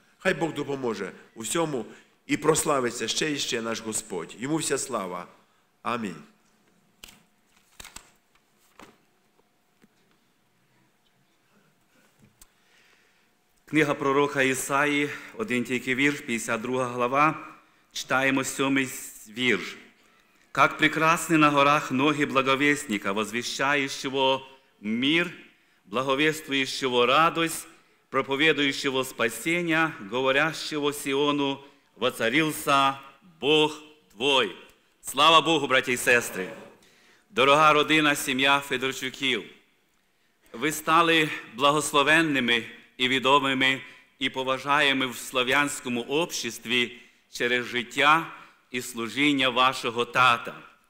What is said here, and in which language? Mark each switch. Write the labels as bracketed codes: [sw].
[uk] Хай Бог допоможе усьому і прославиться ще і ще наш Господь. Йому вся слава. Амінь. Книга пророка Ісаї, один тільки вірш, 52 глава, читаємо 7-й вірш. [ru] «Как прекрасны на горах ноги благовестника, возвещающего мир, благовествующего радость, проповедующего спасение, говорящего Сиону, воцарился Бог твой». [uk] Слава Богу, браті і сестри! Дорога родина, сім'я Федорчуків, ви стали благословенними і відомими, і поважаємо в слов'янському обществі через життя і служіння вашого тата.